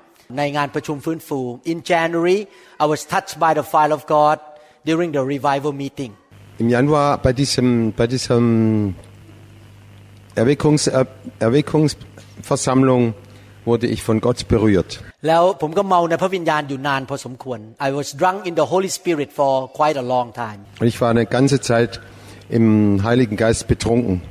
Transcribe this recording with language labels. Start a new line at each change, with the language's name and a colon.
English: In January, I was touched by the fire of God during the revival meeting.
German: Im Januar bei diesem Erweckungsversammlung wurde ich von Gott berührt.
English: I was drunk in the Holy Spirit for quite a long time.
German: Ich war eine ganze Zeit im Heiligen Geist betrunken.